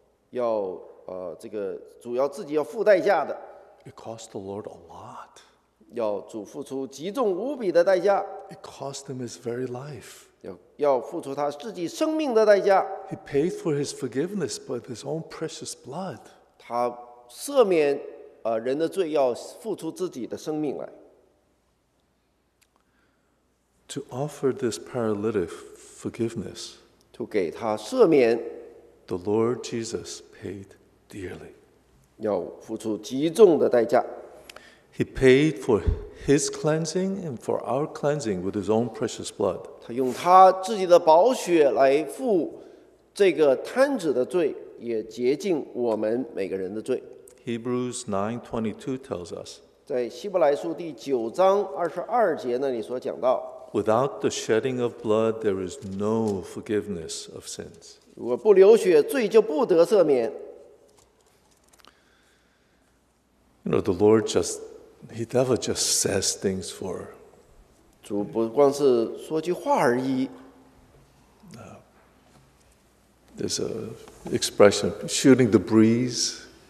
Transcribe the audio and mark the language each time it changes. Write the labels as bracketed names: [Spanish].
[Chinese] 要这个主要自己要付代价的。 [English] It cost the Lord a lot. [Chinese] 要主付出极重无比的代价。 [English] It cost him his very life. [Chinese] 要付出他自己生命的代价。 [English] He paid for his forgiveness with his own precious blood. [Chinese] 他赦免。人的罪要付出自己的生命来。 [English] To offer this paralytic forgiveness, [Chinese] to 给他赦免 [English] ，the Lord Jesus paid dearly. [Chinese] 要付出极重的代价。 [English] He paid for his cleansing and for our cleansing with his own precious blood. [Chinese] 他用他自己的宝血来付这个瘫子的罪，也洁净我们每个人的罪。 [English] Hebrews 9:22 tells us. [Chinese] 在希伯来书第九章二十二节那里所讲到。 [English] Without the shedding of blood, there is no forgiveness of sins. [Chinese] 如果不流血，罪就不得赦免。 [English] You know, the Lord just he never just says things for. [Chinese] 主不光是说句话而已。 [English] There's a expression shooting the breeze.